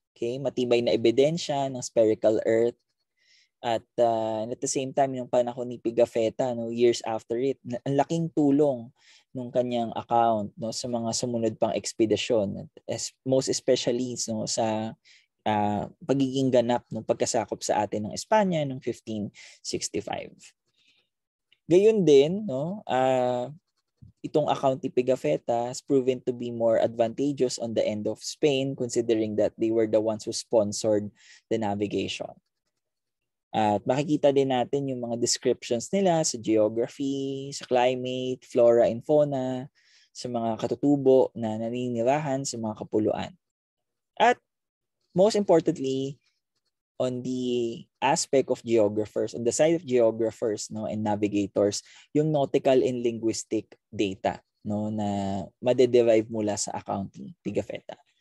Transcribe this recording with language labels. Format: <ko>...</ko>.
<tl>Okay, matibay na ebidensya ng spherical earth at</tl> <en>at the same time</en> <tl>yung panahon ni Pigafetta no,</tl> <en>years after it,</en> <tl>ang laking tulong nung kanyang account no sa mga sumunod pang ekspedisyon,</tl> <en>most especially</en> <tl>no sa pagiging ganap ng pagkasakop sa atin ng Espanya noong 1565. Gayun din no, itong</tl> <en>account ni Pigafetta has proven to be more advantageous on the end of Spain considering that they were the ones who sponsored the navigation.</en> <tl>At makikita din natin yung mga descriptions nila sa geography, sa climate, flora and fauna, sa mga katutubo na naninirahan sa mga kapuluan.</tl> <en>At most importantly, on the aspect of geographers, on the side of geographers no and navigators, yung nautical and linguistic data no</en> <tl>na madederive mula sa</tl> <en>account ni Pigafetta.</en>